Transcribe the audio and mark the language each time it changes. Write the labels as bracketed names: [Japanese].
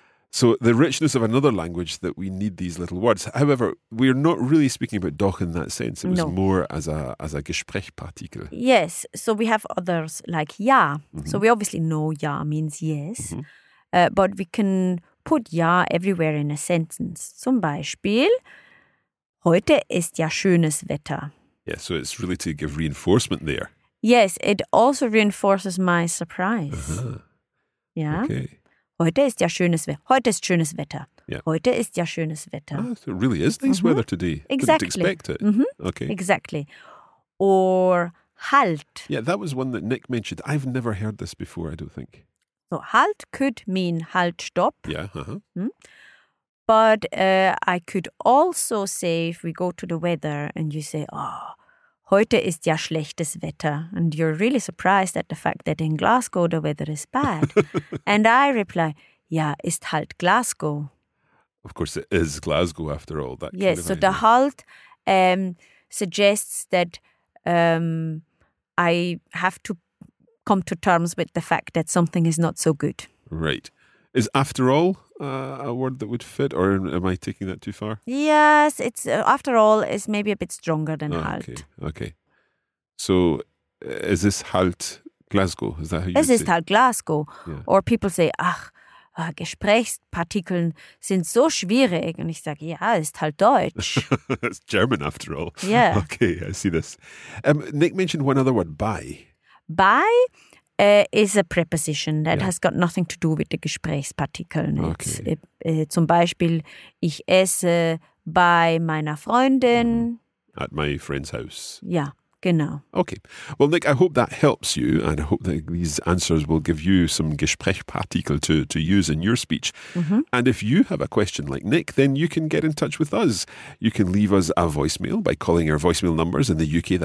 [English] So the richness of another language that we need these little words. However, we're not really speaking about doch in that sense. It was more as a Gesprächpartikel. Yes. So we have others like ja. Mm-hmm. So we obviously know ja means yes. Mm-hmm. But we can put ja everywhere in a sentence. [German] Zum Beispiel, heute ist ja schönes Wetter. [English] Yeah, so it's really to give reinforcement there. Yes, it also reinforces my surprise. Uh-huh. Yeah. Okay. [German] Heute ist ja schönes Wetter. Heute ist schönes Wetter. [English] Yeah. [German] Heute ist ja schönes Wetter. [English] Ah, so it really is nice mm-hmm. weather today. Exactly. Didn't expect it. Mm-hmm. Okay. Exactly. Or halt. Yeah, that was one that Nick mentioned. I've never heard this before, I don't think. So halt could mean halt, stopp. Yeah, uh-huh. Mm-hmm. But I could also say, if we go to the weather and you say, oh, [German] heute ist ja schlechtes Wetter. [English] And you're really surprised at the fact that in Glasgow the weather is bad. And I reply, [German] ja, ist halt Glasgow. [English] Of course, it is Glasgow after all. That yes, kind of so idea. The halt suggests that I have to come to terms with the fact that something is not so good. Right. Is after all a word that would fit, or am I taking that too far? Yes, it's after all is maybe a bit stronger than halt. Okay. So is this halt Glasgow? Is that how you [German] say it? Es ist halt Glasgow. [English] Yeah. Or people say, [German] ach, Gesprächspartikeln sind so schwierig. [English] And I say, [German] ja, ist halt Deutsch. [English] It's German after all. Yeah. Okay, I see this. Nick mentioned one other word, bei. Bei? Is a preposition that has got nothing to do with the Gesprächspartikeln. Okay. [German] Zum Beispiel, ich esse bei meiner Freundin. [English] Mm. At my friend's house. Yeah, genau. Okay. Well, Nick, I hope that helps you, and I hope that these answers will give you some Gesprächspartikel to use in your speech. Mm-hmm. And if you have a question like Nick, then you can get in touch with us. You can leave us a voicemail by calling our voicemail numbers in the UK.